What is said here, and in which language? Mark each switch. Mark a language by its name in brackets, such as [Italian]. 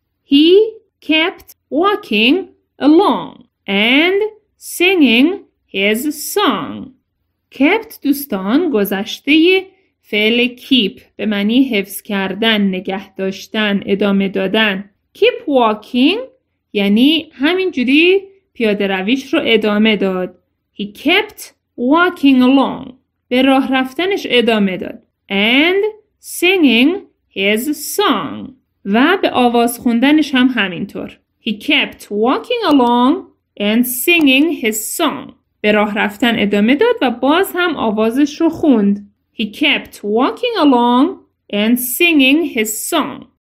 [English] He kept walking along and singing his song. [Persian] Kept دوستان گذشته فعل keep به معنی حفظ کردن، نگه داشتن، ادامه دادن. [English] Keep walking [Persian] یعنی همین جوری پیاده رویش رو ادامه داد. [English] He kept walking along. [Persian] به راه رفتنش ادامه داد. [English] And singing his song. [Persian] و به آواز خوندنش هم همینطور. [English] He kept walking along and singing his song. [Persian] به راه رفتن ادامه داد و باز هم آوازش رو خوند. [English] He kept walking along and singing his song.